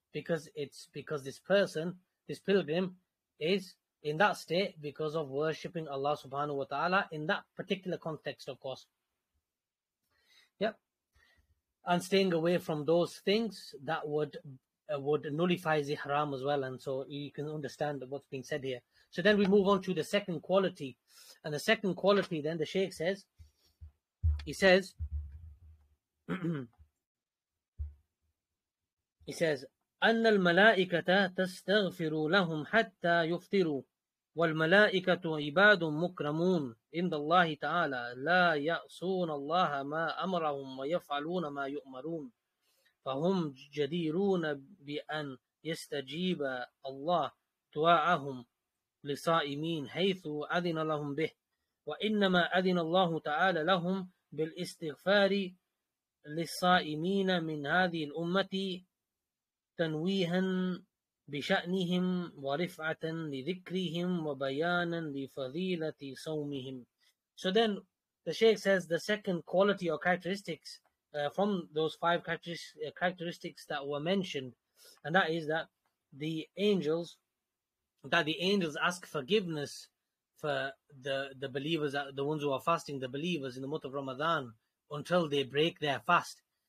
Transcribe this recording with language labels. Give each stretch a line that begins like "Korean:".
English: Because it's because this person, this pilgrim, is in that state because of worshipping Allah subhanahu wa ta'ala in that particular context, of course. Yep. And staying away from those things that would nullify ihram as well. And so you can understand what's being said here. So then we move on to the second quality. And the second quality, then the Shaykh says, he says,
Arabic: he says, أن الملائكة تستغفر لهم حتى يفطروا والملائكة عباد مكرمون عند الله تعالى لا يعصون الله ما أمرهم ويفعلون ما يؤمرون فهم جديرون بأن يستجيب الله دعاءهم لصائمين حيث أذن لهم به وإنما أذن الله تعالى لهم بالاستغفار للصائمين من هذه الأمة تنويها بشأنهم ورفعة لذكرهم وبيانا لفضيلة صومهم.
English: So then the Shaykh says the second quality or characteristics from those five characteristics that were mentioned, and that is that the angels ask forgiveness for the believers, the ones who are fasting, the believers in the month of Ramadan, until they break their fast.